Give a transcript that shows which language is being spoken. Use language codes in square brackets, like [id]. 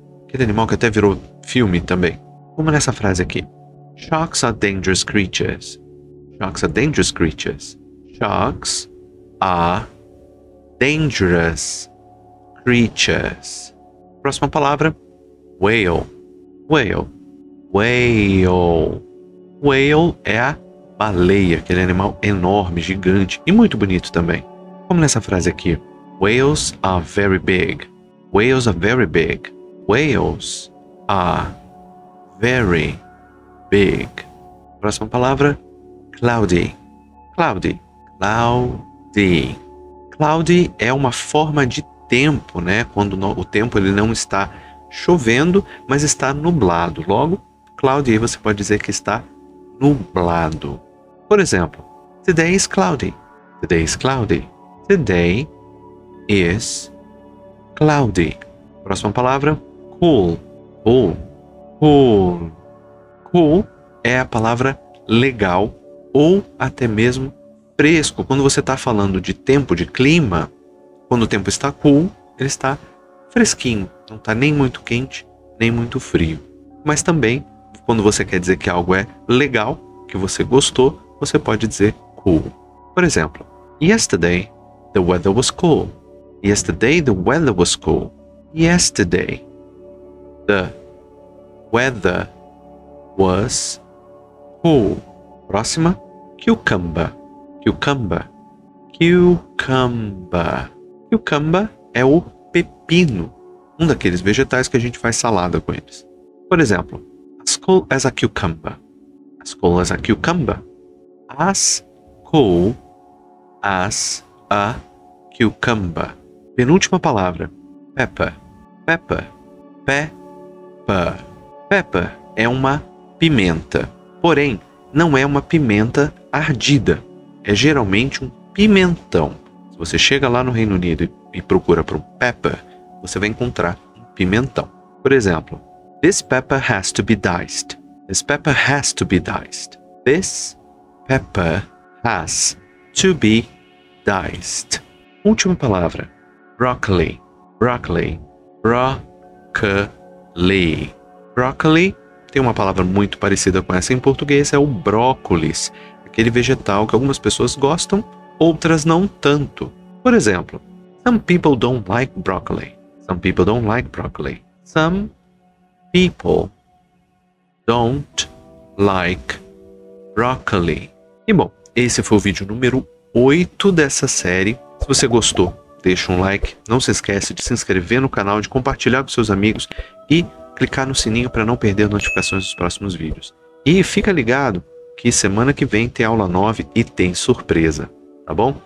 [pt] Aquele animal que até virou filme também. Como nessa frase aqui. [en] Sharks are dangerous creatures. Sharks are dangerous creatures. Sharks are dangerous creatures. [pt] Próxima palavra, whale. Whale. Whale. Whale é a baleia, aquele animal enorme, gigante e muito bonito também. Como nessa frase aqui. [en] Whales are very big. Whales are very big. Whales are very big. [pt] Próxima palavra, cloudy. Cloudy. Cloudy. Cloudy é uma forma de tempo, né? Quando o tempo ele não está chovendo, mas está nublado. Logo, cloudy, você pode dizer que está nublado. Por exemplo, [en] today is cloudy. Today is cloudy. Today is cloudy. [pt] Próxima palavra, cool. Cool. Cool. Cool é a palavra legal ou até mesmo fresco. Quando você está falando de tempo, de clima, quando o tempo está cool, ele está fresquinho. Não está nem muito quente, nem muito frio. Mas também, quando você quer dizer que algo é legal, que você gostou, você pode dizer cool. Por exemplo, [en] yesterday the weather was cool. Yesterday the weather was cool. Yesterday the weather was cool. [pt] Próxima, cucumber. Cucumber. Cucumber. Cucumber é o pepino, um daqueles vegetais que a gente faz salada com eles. Por exemplo, [en] as cool as a cucumber. As cool as a cucumber. As cool as a cucumber. [pt] Penúltima palavra, pepper. Pepper. Pepper. Pepper é uma pimenta, porém, não é uma pimenta ardida. É geralmente um pimentão. Se você chega lá no Reino Unido e procura por um pepper, você vai encontrar um pimentão. Por exemplo, [en] this pepper has to be diced. This pepper has to be diced. This pepper has to be diced. [pt] Última palavra, broccoli. Broccoli. Broccoli. Broccoli tem uma palavra muito parecida com essa em português, é o brócolis. Aquele vegetal que algumas pessoas gostam, outras não tanto. Por exemplo, [en] some people don't like broccoli. Some people don't like broccoli. Some people don't like broccoli. [pt] E bom, esse foi o vídeo número 8 dessa série. Se você gostou, deixa um like. Não se esquece de se inscrever no canal, de compartilhar com seus amigos e clicar no sininho para não perder as notificações dos próximos vídeos. E fica ligado que semana que vem tem aula 9 e tem surpresa, tá bom?